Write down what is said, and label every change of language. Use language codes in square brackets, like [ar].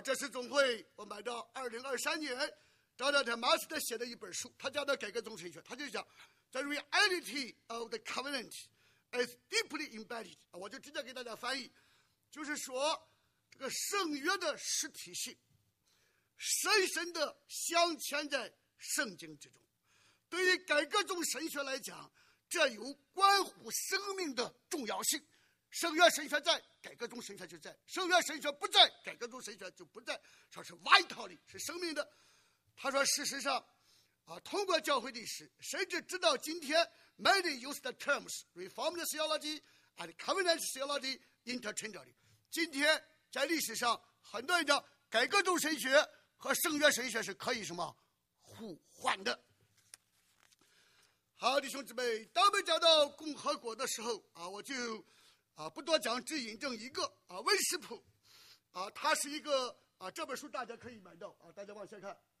[zh] 这次总会我买到2023年找到他马斯特写的一本书，他叫做改革宗神学，他就讲 [en] The reality of the covenant is deeply embedded， [zh] 我就直接给大家翻译，就是说这个圣约的实体性深深的镶嵌在圣经之中。对于改革宗神学来讲，这有关乎生命的重要性。圣约神学在，改革宗神学就在，圣约神学不在，改革宗神学就不在，说是 vitally 是生命的。他说事实上通过教会历史，甚至直到今天 [en] many use the terms reformed theology and covenant theology interchangeably。 [zh] 今天在历史上很多人讲改革宗神学和圣约神学是可以什么互换的。好，弟兄姊妹，当我们讲到共和国的时候我就不多讲，只引证一个温斯普他是一个这本书大家可以买到大家往下看。